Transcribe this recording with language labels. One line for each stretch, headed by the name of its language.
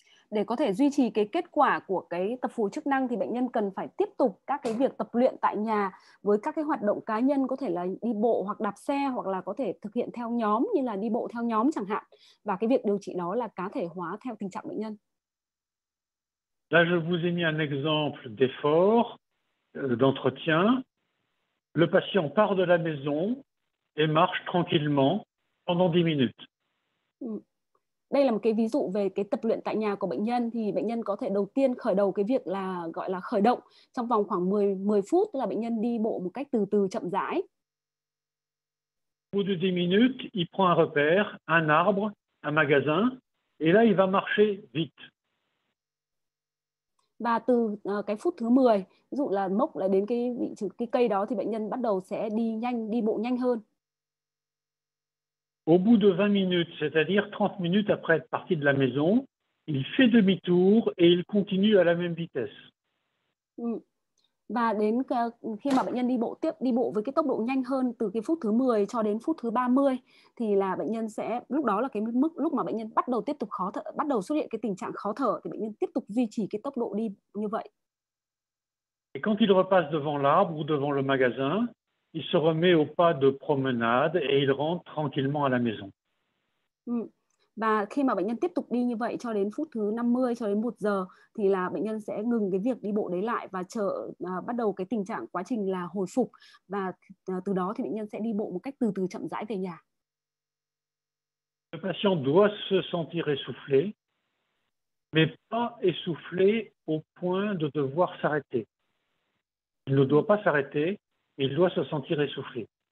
Vietnamese: Để có thể duy trì cái kết quả của cái tập phù chức năng thì bệnh nhân cần phải tiếp tục các cái việc tập luyện tại nhà với các cái hoạt động cá nhân, có thể là đi bộ hoặc đạp xe, hoặc là có thể thực hiện theo nhóm, như là đi bộ theo nhóm chẳng hạn, và cái việc điều trị đó là cá thể hóa theo tình trạng bệnh nhân.
French: Là je vous ai mis un exemple d'effort d'entretien, le patient part de la maison et marche tranquillement pendant 10 minutes.
Vietnamese: Đây là một cái ví dụ về cái tập luyện tại nhà của bệnh nhân, thì bệnh nhân có thể đầu tiên khởi đầu cái việc là gọi là khởi động trong vòng khoảng 10 phút, tức là bệnh nhân đi bộ một cách từ từ chậm rãi.
French: Au bout de 10 minutes, il prend un repère, un arbre, un magasin et là il va marcher vite.
Vietnamese: Và từ cái phút thứ 10, ví dụ là mốc lại đến cái cây đó, thì bệnh nhân bắt đầu sẽ đi nhanh, đi bộ nhanh hơn.
French: Au bout de 20 minutes, c'est-à-dire 30 minutes après être parti de la maison, il fait demi-tour et il continue à la même vitesse.
Vietnamese: Và đến khi mà bệnh nhân đi bộ với cái tốc độ nhanh hơn từ cái phút thứ 10 cho đến phút thứ 30, thì là bệnh nhân sẽ, lúc đó là cái mức lúc mà bệnh nhân bắt đầu tiếp tục khó thở, bắt đầu xuất hiện cái tình trạng khó thở, thì bệnh nhân tiếp tục duy trì cái tốc độ đi như vậy.
French: Et quand il repasse devant l'arbre ou devant le magasin, il se remet au pas de promenade et il rentre tranquillement à la maison.
Vietnamese: Và khi mà bệnh nhân tiếp tục đi như vậy cho đến phút thứ 50, cho đến 1 giờ, thì là bệnh nhân sẽ ngừng cái việc đi bộ đấy lại và bắt đầu cái tình trạng quá trình là hồi phục. Và từ đó thì bệnh nhân sẽ đi bộ một cách từ từ chậm rãi về nhà.
French: Le patient doit se sentir essoufflé, mais pas essoufflé au point de devoir s'arrêter. Il ne doit pas s'arrêter, il doit se sentir essoufflé.